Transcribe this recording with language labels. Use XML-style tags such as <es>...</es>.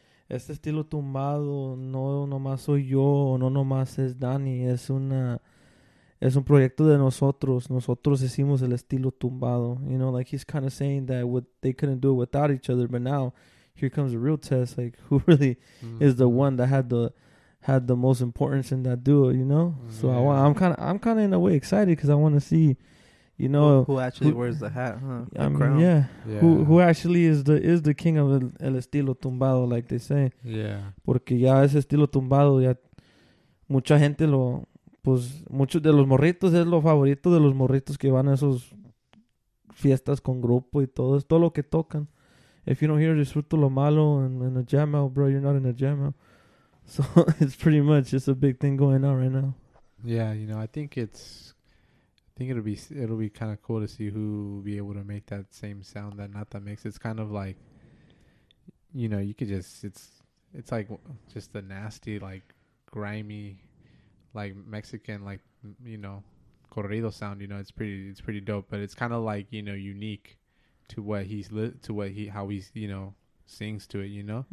<es>este estilo tumbado no nomás soy yo, no nomás es Dani, es un proyecto de nosotros, nosotros hicimos el estilo tumbado,</es> <en>you know, like, he's kind of saying that they couldn't do it without each other, but now here comes a real test, like, who really is the one that had the most importance in that duo, you know? Mm-hmm. So I'm kind of in a way excited, because I want to see, you know, who actually wears the hat, huh? I mean, crown. Who actually is the king of el estilo tumbado, like they say. Yeah.</en> <es>Porque ya ese estilo tumbado ya mucha gente lo, pues muchos de los morritos es lo favorito de los morritos que van a esos fiestas con grupo y todo, es todo lo que tocan.</es> <en>If you don't hear Disfruto Lo Malo in a jam out, bro, you're not in a jam out. So it's pretty much just a big thing going on right now. Yeah, you know, I think it'll be kind of cool to see who will be able to make that same sound that Nata makes. It's kind of like, you know, you could just, it's like just a nasty, like grimy, like Mexican, like, you know, corrido sound, you know, it's pretty dope, but it's kind of like, you know, unique to what he's how he's, you know, sings to it, you know?</en>